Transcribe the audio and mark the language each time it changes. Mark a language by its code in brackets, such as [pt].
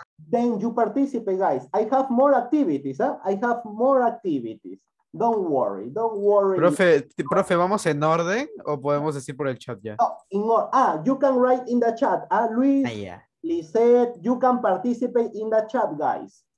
[en] Then you participate, guys. I have more activities, huh? I have more activities. Don't worry. [es] Profe, ¿vamos en orden o podemos decir por el chat ya? [en] You can write in the chat. Luis, Lizette, you can participate in the chat, guys.